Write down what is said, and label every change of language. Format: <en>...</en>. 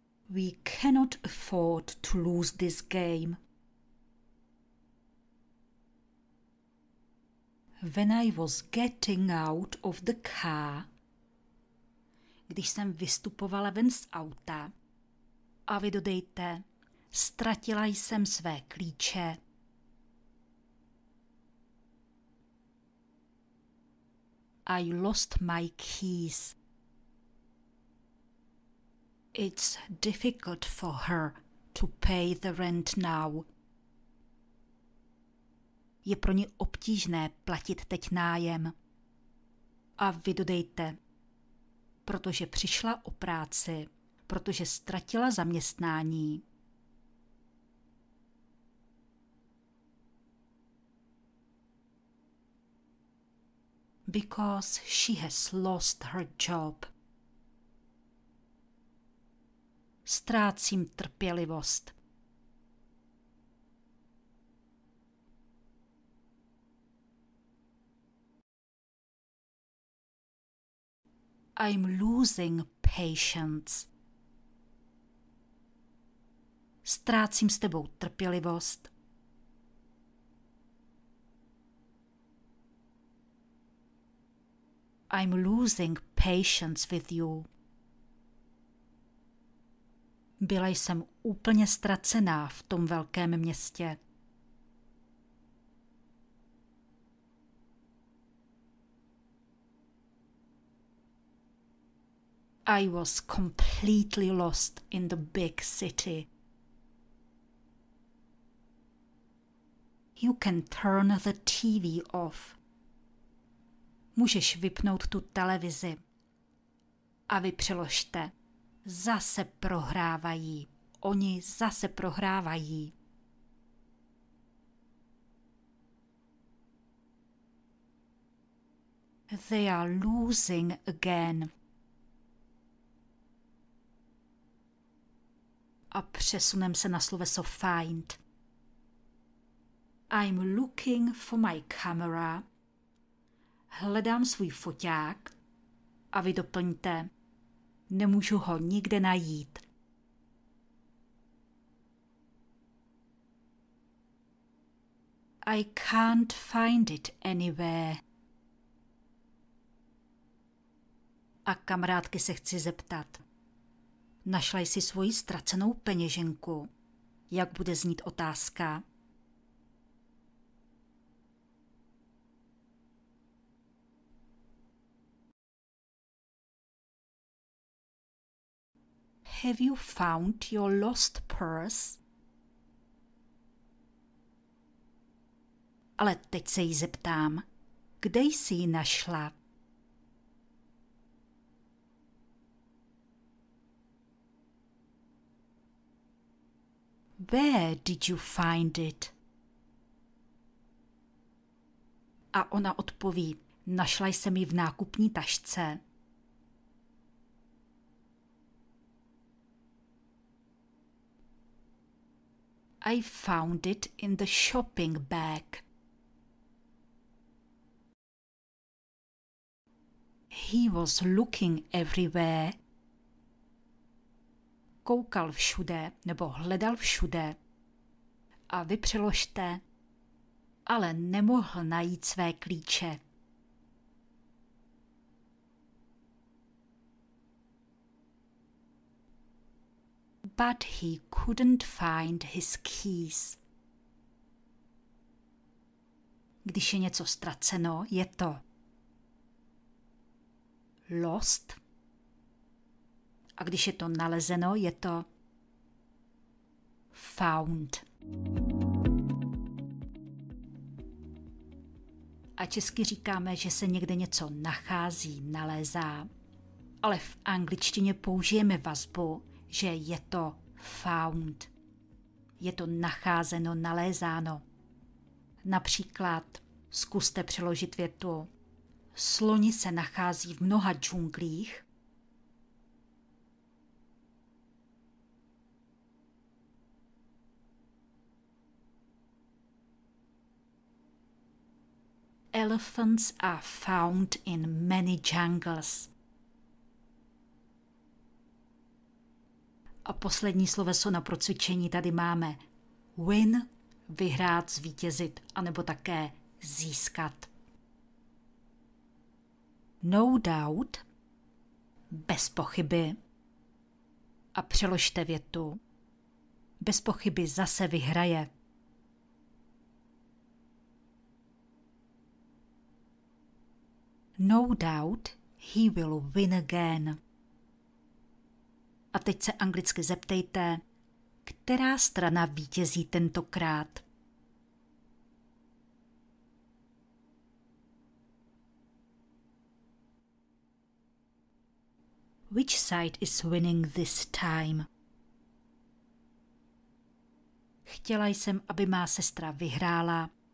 <en>We cannot afford to lose this game. When I was getting out of the car,</en> <cs>když jsem vystupovala ven z auta, a vy dodejte, ztratila jsem své klíče.</cs> <en>I lost my keys. It's difficult for her to pay the rent now.</en> <cs>Je pro ní obtížné platit teď nájem. A vy dodejte, protože přišla o práci, protože ztratila zaměstnání.</cs> <en>Because she has lost her job.</en> <cs>Ztrácím trpělivost.</cs> <en>I'm losing patience.</en> <cs>Ztrácím s tebou trpělivost.</cs> <en>I'm losing patience with you.</en> <cs>Byla jsem úplně ztracená v tom velkém městě.</cs> <en>I was completely lost in the big city. You can turn the TV off.</en> <cs>Můžeš vypnout tu televizi. A vy přeložte. Zase prohrávají. Oni zase prohrávají.</cs> <en>They are losing again.</en> <cs>A přesunem se na sloveso find.</cs> <en>I'm looking for my camera.</en> <cs>Hledám svůj foťák. A vy doplňte. Nemůžu ho nikde najít.</cs> <en>I can't find it anywhere.</en> <cs>A kamarádky se chci zeptat. Našla jsi svoji ztracenou peněženku? Jak bude znít otázka?</cs> <en>Have you found your lost purse?</en> <cs>Ale teď se jí zeptám, kde jsi ji našla?</cs> <en>Where did you find it?</en> <cs>A ona odpoví, našla jsem ji v nákupní tašce.</cs> <en>I found it in the shopping bag. He was looking everywhere.</en> <cs>Koukal všude nebo hledal všude. A vy přeložte, ale nemohl najít své klíče.</cs> <en>But he couldn't find his keys.</en> <cs>Když je něco ztraceno, je to lost. A když je to nalezeno, je to found. A česky říkáme, že se někde něco nachází, nalézá. Ale v angličtině použijeme vazbu, že je to found. Je to nacházeno, nalézáno. Například zkuste přeložit větu. Sloni se nachází v mnoha džunglích.</cs> <en>Elephants are found in many jungles.</en> <cs>A poslední sloveso na procvičení tady máme. Win, vyhrát, zvítězit, anebo také získat.</cs> <en>No doubt,</en> <cs>bez pochyby. A přeložte větu. Bez pochyby zase vyhraje.</cs> <en>No doubt, he will win again.</en> <cs>A teď se anglicky zeptejte, která strana vítězí tentokrát?</cs> <en>Which side is winning this time?</en> <cs>Chtěla jsem, aby má sestra vyhrála.</cs>